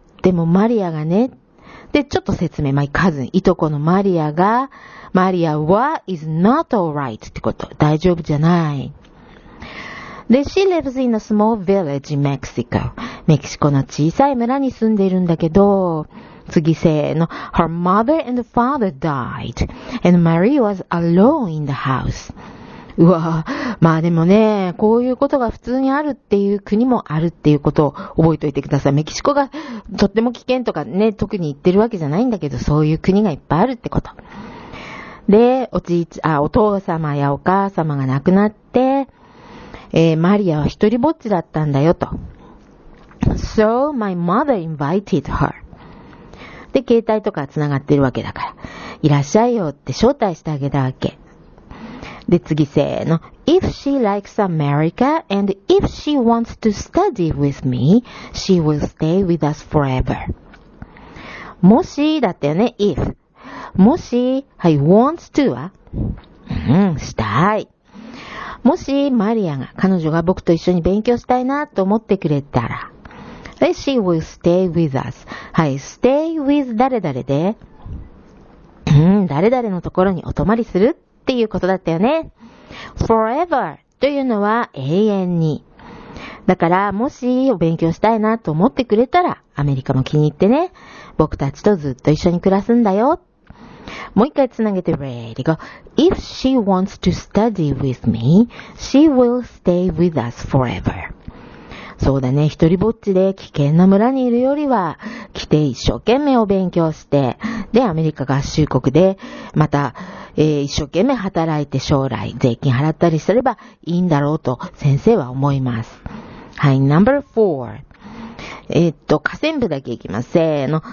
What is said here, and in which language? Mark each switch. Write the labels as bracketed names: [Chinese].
[Japanese] でもマリアがね。で、ちょっと説明。 my cousin, いとこのマリアが、マリアは is not alright ってこと。 [English] 大丈夫じゃない。で、 she lives in a small village in Mexico. [Japanese] メキシコの小さい村に住んでいるんだけど、次せーの。 [English] Her mother and father died, and Marie was alone in the house. [Japanese] うわぁ、まあでもね、こういうことが普通にあるっていう国もあるっていうことを覚えておいてください。メキシコがとっても危険とかね、特に言ってるわけじゃないんだけど、そういう国がいっぱいあるってこと。で、お父様やお母様が亡くなって、マリアは一人ぼっちだったんだよと。 [English] So, my mother invited her. [Japanese] で、携帯とか繋がってるわけだから。いらっしゃいよって招待してあげたわけ。で、次せーの。 [English] If she likes America and if she wants to study with me, she will stay with us forever. [Japanese] もし、だったよね、if。もし、はい、 wants to は？うん、したい。もし、マリアが、彼女が僕と一緒に勉強したいなと思ってくれたら。で、 she will stay with us. はい、stay with 誰々で、誰々のところにお泊まりするっていうことだったよね。forever というのは永遠に。だからもしお勉強したいなと思ってくれたらアメリカも気に入ってね。僕たちとずっと一緒に暮らすんだよ。もう一回つなげて、 Ready, go. [English] If she wants to study with me, she will stay with us forever. [Japanese] そうだね、一人ぼっちで危険な村にいるよりは、来て一生懸命お勉強して、で、アメリカ合衆国で、また、一生懸命働いて将来税金払ったりすればいいんだろうと先生は思います。はい、 Number four. 河川部だけ行きます。せーの。